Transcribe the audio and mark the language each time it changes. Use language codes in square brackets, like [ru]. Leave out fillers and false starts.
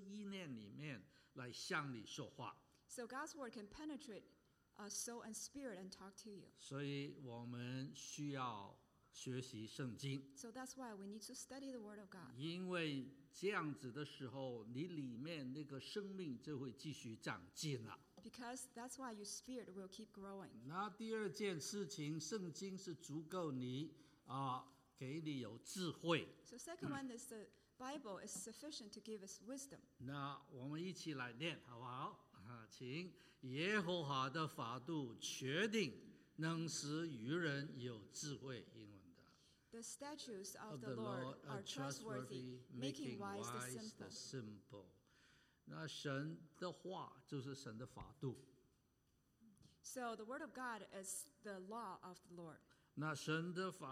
[zh] 神的话语可以跑进你的心思意念里面来向你说话。 [en] So God's word can penetrate soul and spirit and talk to you. [zh] 所以我们需要 学习圣经, [en] so that's why we need to study the word of God. [zh] 因为这样子的时候, 你里面那个生命就会继续长进了。 [en] Because that's why your spirit will keep growing. [zh] 那第二件事情, 圣经是足够你, 给你有智慧。 [en] So second one is the Bible is sufficient to give us wisdom. [zh] 那我们一起来念, 好不好?请, 耶和华的法度, 确定, 能使愚人有智慧, 英文。 [en] The statutes of the Lord are trustworthy, making wise the simple. [zh] 那神的话就是神的法度。 [en] So the word of God is the law of the Lord.